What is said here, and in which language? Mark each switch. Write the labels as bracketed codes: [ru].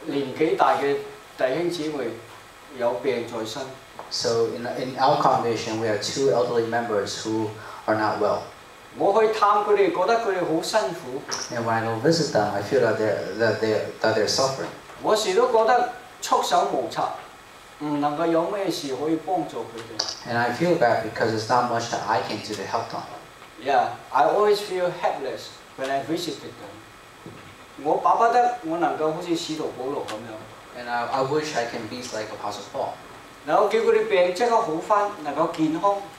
[zh] 好像现在我们教会有两位年纪大的弟兄姊妹。有病在身, [en] so in our congregation, we have two elderly members who are not well. [zh] 我去探他们,觉得他们很辛苦, [en] and when I go visit them, I feel that they're suffering. [zh] 我时都觉得束手无策,不能够有什么事可以帮助他们。 [en] And I feel bad because it's not much that I can do to help them. Yeah, I always feel helpless when I visited them. [zh] 我巴不得我能够好像使徒保罗那样。 [en] And I wish I can be like Apostle Paul. [zh] 能够叫他们病立刻好翻，能够健康。